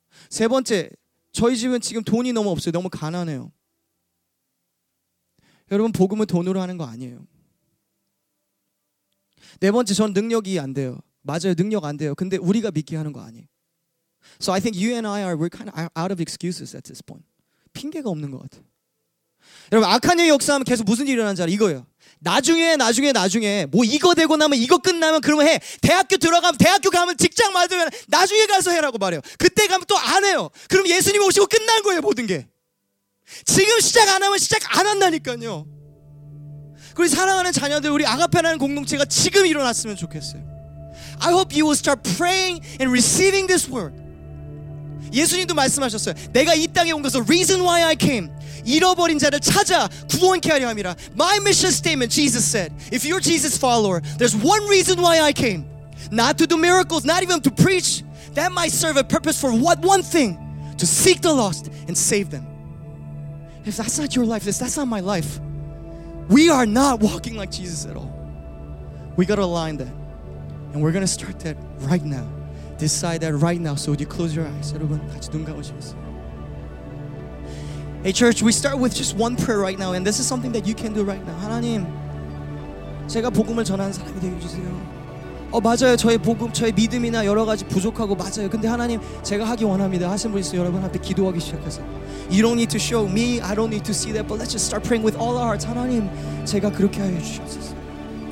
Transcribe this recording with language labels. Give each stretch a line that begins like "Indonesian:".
Korean: 세 번째, 저희 집은 지금 돈이 너무 없어요. 너무 가난해요. 여러분 복음은 돈으로 하는 거 아니에요. 네 번째, 전 능력이 안 돼요. 맞아요, 능력 안 돼요. 근데 우리가 믿게 하는 거 아니에요.
English: So I think you and I are we're kind of out of excuses at this point.
Korean: 핑계가 없는 것 같아요. 여러분 악한 일 역사하면 계속 무슨 일이 일어나는지 알아요? 이거예요. 나중에 뭐 이거 되고 나면 이거 끝나면 그러면 해. 대학교 들어가면 대학교 가면 직장 맞으면 나중에 가서 해라고 말해요. 그때 가면 또 안 해요. 그럼 예수님 오시고 끝난 거예요 모든 게. 지금 시작 안 하면 시작 안 한다니까요. 우리 사랑하는 자녀들 우리 아가페라는 공동체가 지금 일어났으면 좋겠어요.
English: I hope you will start praying and receiving this word.
Korean: 예수님도 말씀하셨어요. 내가 이 땅에 온 것은
English: reason why I came.
Korean: 잃어버린 자를 찾아 구원케 하려 함이라.
English: My mission statement, Jesus said, if you're Jesus' follower, there's one reason why I came. Not to do miracles, not even to preach. That might serve a purpose for what one thing? To seek the lost and save them. If that's not your life, if that's not my life, we are not walking like Jesus at all. We got to align that. And we're going to start that right now. Decide that right now. So would you close your eyes?
Korean: 여러분, 같이 눈 감으시겠어요?
English: Hey church, we start with just one prayer right now. And this is something that you can do right now.
Korean: 하나님, 제가 복음을 전하는 사람이 되게 해주세요. 어 맞아요. 저의 복음, 저의 믿음이나 여러 가지 부족하고 맞아요. 근데 하나님, 제가 하기 원합니다. 하신 분 있어요. 여러분한테 기도하기 시작하세요.
English: You don't need to show me. I don't need to see that. But let's just start praying with all our hearts.
Korean: 하나님, 제가 그렇게 하여 주셨어요.